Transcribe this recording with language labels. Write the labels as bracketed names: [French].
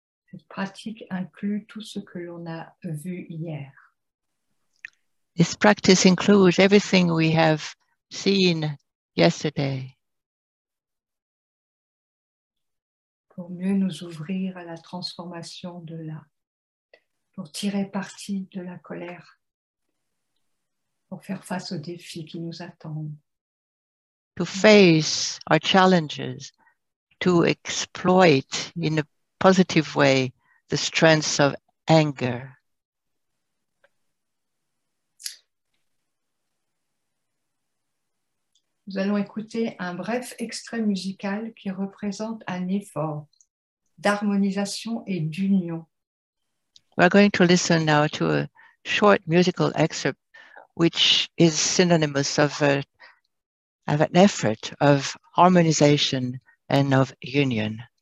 [French] Cette pratique inclut tout ce que l'on a vu hier. [English] This practice includes everything we have seen yesterday. [French] Pour mieux nous ouvrir à la transformation de la, pour tirer parti de la colère, pour faire face aux défis qui nous attendent. [English] To face our challenges, to exploit in a positive way the strengths of anger. [French] Nous allons écouter un bref extrait musical qui représente un effort d'harmonisation et d'union. [English] We're going to listen now to a short musical excerpt which is synonymous of an effort of harmonization and of union.